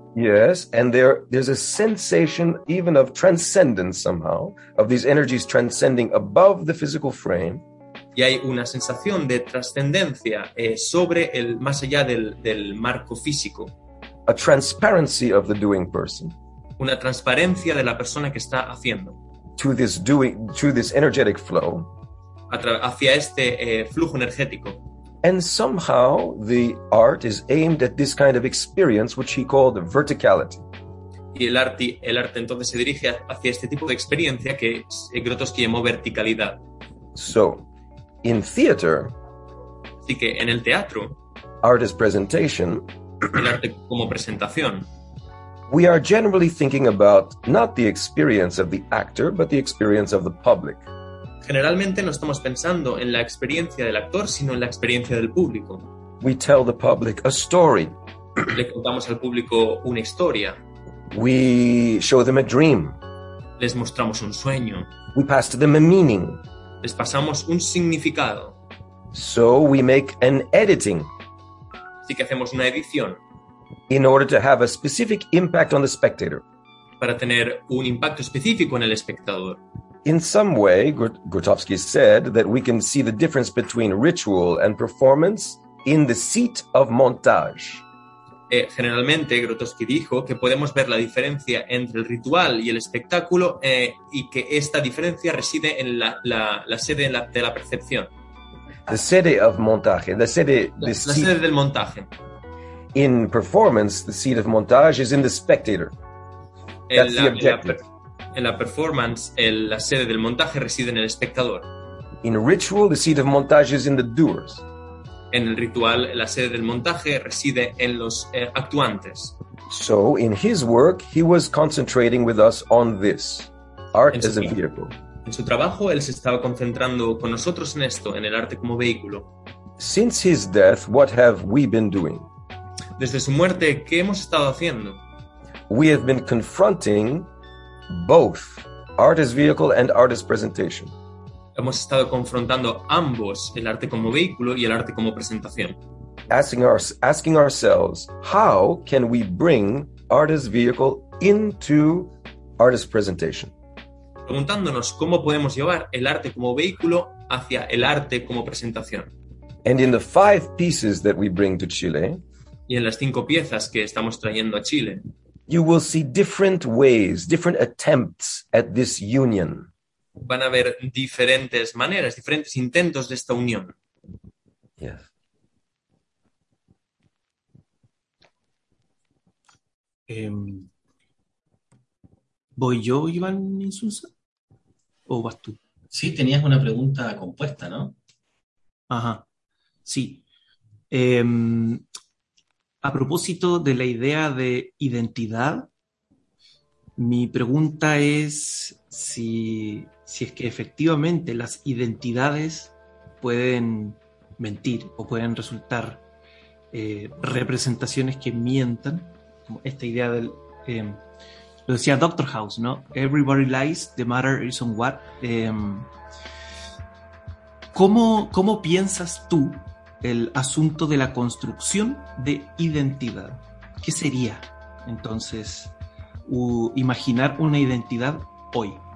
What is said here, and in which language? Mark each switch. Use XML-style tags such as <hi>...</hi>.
<en>Yes, and there's a sensation even of transcendence somehow, of these energies transcending above the physical frame.</en> <es>Y hay una sensación de trascendencia sobre el más allá del marco físico.</es> <en>A transparency of the doing person.</en> <es>Una transparencia de la persona que está haciendo.</es> <en>To this energetic flow.</en> <es>Hacia este flujo energético.</es> <en>And somehow the art is aimed at this kind of experience which he called verticality.</en> <es>Y el arte entonces se dirige hacia este tipo de experiencia que Grotowski llamó verticalidad.</es> <en>So, in theater,</en> <es>así que en el teatro,</es> <en>art is presentation,</en> <es>el arte como presentación,</es> <en>we are generally thinking about not the experience of the actor, but the experience of the public.</en> <es>Generalmente no estamos pensando en la experiencia del actor, sino en la experiencia del público.</es> <en>We tell the public a story.</en> <es>Le contamos al público una historia.</es> <en>We show them a dream.</en> <es>Les mostramos un sueño.</es> <en>We pass to them a meaning.</en> <es>Les pasamos un significado.</es> <en>So we make an editing.</en> <es>Así que hacemos una edición.</es> <en>In order to have a specific impact on the spectator.</en> <es>Para tener un impacto específico en el espectador.</es> <en>In some way, Grotowski said that we can see the difference between ritual and performance in the seat of montage.</en> <es>Generalmente, Grotowski dijo que podemos ver la diferencia entre el ritual y el espectáculo y que esta diferencia reside en la sede de la percepción.</es> <en>The sede of montage.</en> <es>La sede del montaje.</es> <en>In performance, the seat of montage is in the spectator. That's the objective.</en> <es>En la performance, la sede del montaje reside en el espectador.</es> <en>In ritual, the seat of montage is in the doers.</en> <es>En el ritual, la sede del montaje reside en los actuantes.</es> <en>So, in his work, he was concentrating with us on this. Art as a vehicle.</en> <es>En su trabajo, él se estaba concentrando con nosotros en esto, en el arte como vehículo.</es> <en>Since his death, what have we been doing?</en> <es>Desde su muerte, ¿qué hemos estado haciendo?</es> <en>We have been confronting both art as vehicle and art as presentation.</en> <es>Hemos estado confrontando ambos, el arte como vehículo y el arte como presentación.</es> <en>Asking ourselves, how can we bring art as vehicle into art as presentation?</en> <es>Preguntándonos cómo podemos llevar el arte como vehículo hacia el arte como presentación.</es> <en>And in the five pieces that we bring to Chile,</en> <es>y en las cinco piezas que estamos trayendo a Chile,</es> <en>you will see different ways, different attempts at this union.</en> <es>Van a ver diferentes maneras, diferentes intentos de esta unión.</es> <en>Yes.</en> <es>¿Voy yo, Iván Insunza? ¿O vas tú? Sí, tenías una pregunta compuesta, ¿no? Ajá, sí. A propósito de la idea de identidad, mi pregunta es si es que efectivamente las identidades pueden mentir o pueden resultar representaciones que mientan. Como esta idea del, lo decía Dr. House, ¿no?</es> <en>Everybody lies, the matter is on what.</en> <es>¿Cómo piensas tú el asunto de la construcción de identidad? ¿Qué sería, entonces, imaginar una identidad hoy?</es>